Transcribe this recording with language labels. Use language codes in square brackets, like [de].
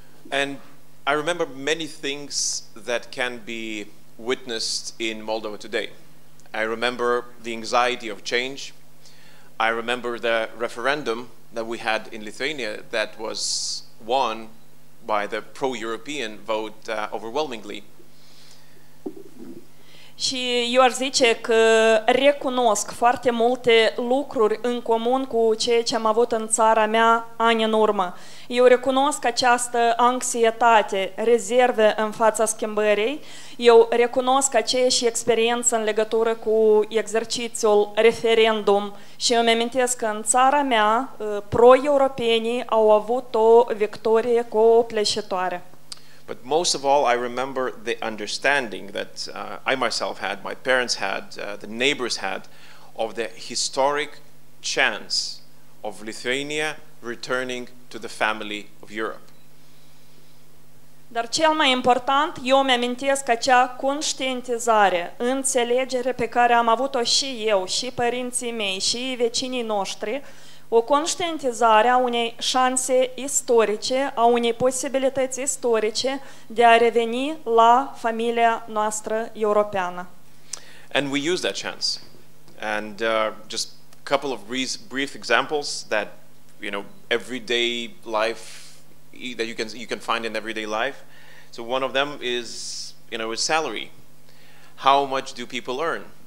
[en] And I remember many things that can be witnessed in Moldova today. I remember the anxiety of change. I remember the referendum that we had in Lithuania that was won by the pro-European vote overwhelmingly. [ro] Și eu aș zice că recunosc foarte multe lucruri în comun cu ceea ce am avut în țara mea ani în urmă. Eu recunosc această anxietate, rezerve în fața schimbării. Eu recunosc aceeași experiență în legătură cu exercițiul referendum. Și îmi amintesc că în țara mea, pro-europenii au avut o victorie copleșitoare. [en] But most of all, I remember the understanding that I myself had, my parents had, the neighbors had, of the historic chance of Lithuania returning to the family of Europe. [ro] Dar cel mai important, eu mi-amintesc acea conștientizare, înțelegere pe care am avut-o și eu, și părinții mei, și vecinii noștri, o conștientizare a unei șanse istorice, a unei posibilități istorice de a reveni la familia noastră europeană. [en] And we used that chance. And just a couple of brief examples that, you know, everyday life, that you can find in everyday life. So one of them is, you know, is salary. How much do people earn?